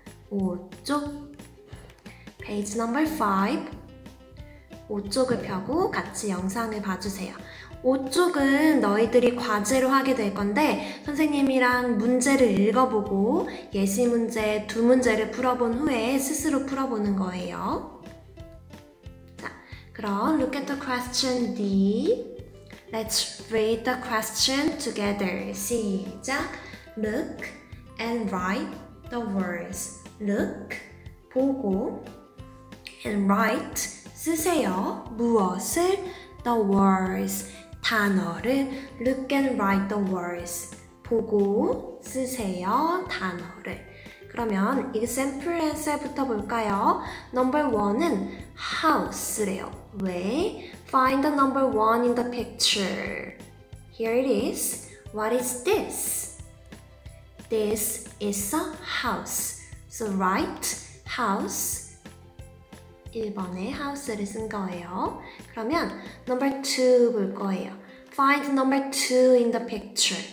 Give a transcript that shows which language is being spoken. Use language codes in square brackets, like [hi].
[ko] 5쪽. 페이지 No. 5. 5쪽을 펴고 같이 영상을 봐주세요. 5쪽은 너희들이 과제로 하게 될 건데 선생님이랑 문제를 읽어보고 예시 문제 두 문제를 풀어본 후에 스스로 풀어보는 거예요. 자, 그럼 [en] look at the question D. Let's read the question together. [ko] 시작. [en] Look and write the words. Look, [ko] 보고, [en] and write, [ko] 쓰세요. 무엇을? [en] The words. [ko] 단어를, [en] look and write the words. [ko] 보고 쓰세요, 단어를. 그러면 [en] example answer [ko] 부터 볼까요? Number 1은 house래요. 왜? [en] Find the number 1 in the picture. Here it is. What is this? This is a house. So write house. [ko] 1번에 house를 쓴 거예요. 그러면 number 2 볼 거예요. [en] Find number 2 in the picture.